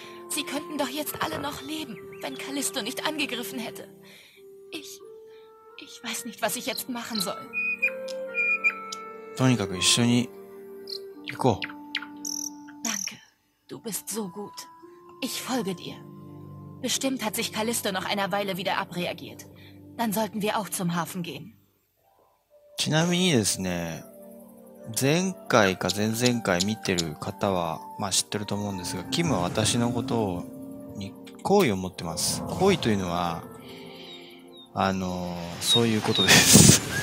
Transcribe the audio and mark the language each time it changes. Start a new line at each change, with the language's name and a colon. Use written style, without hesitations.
German: Sie könnten doch jetzt alle noch leben, wenn Callisto nicht angegriffen hätte. Ich weiß nicht, was ich jetzt machen soll.
Japanese: とにかく一緒に行こう。
German: Danke, du bist so gut. Ich folge dir. Bestimmt hat sich Callisto noch einer Weile wieder abreagiert. Dann sollten wir auch zum Hafen gehen.
Japanese: ちなみにですね、前回か前々回見てる方は、まあ知ってると思うんですが、キムは私のことを、に、好意を持ってます。好意というのは、そういうことです。